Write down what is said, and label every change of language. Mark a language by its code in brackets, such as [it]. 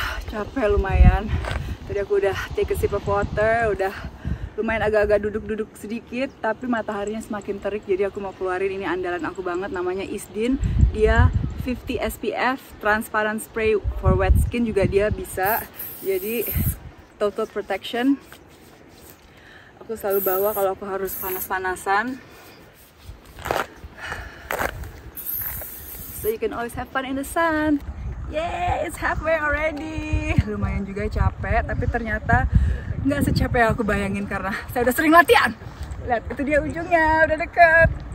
[id] capek lumayan. Tadi aku udah [en] take a sip of water, [id] udah lumayan agak-agak duduk-duduk sedikit, tapi mataharinya semakin terik, jadi aku mau keluarin ini andalan aku banget, namanya Isdin. [en] Dia 50 SPF transparent spray for wet skin, [id] juga dia bisa, jadi [en] total protection. [id] Aku selalu bawa kalau aku harus panas-panasan. [en] So you can always have fun in the sun. Yay, it's halfway already. [id] Lumayan juga capek, tapi ternyata nggak secapek yang aku bayangin karena saya udah sering latihan. Lihat, itu dia ujungnya, udah deket.